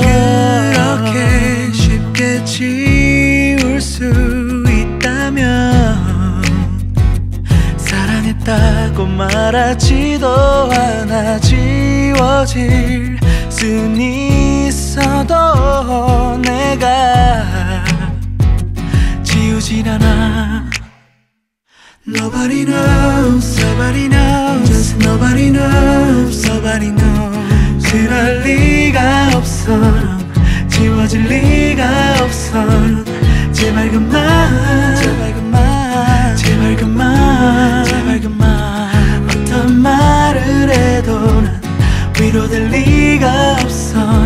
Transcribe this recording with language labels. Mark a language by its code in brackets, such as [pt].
[ko] 그렇게 쉽게 지울 수 있다면 사랑했다고 말하지도 않아. 지워질 순 있어도 내가 지우진 않아. [en] Nobody knows, nobody knows, just nobody knows, nobody knows. [ko] 그럴 리가 없어, 지워질 리가 없어. 제발 그만, 제발 그만, 제발 그만, 제발 그만. 어떤 말을 해도 난 위로될 리가 없어.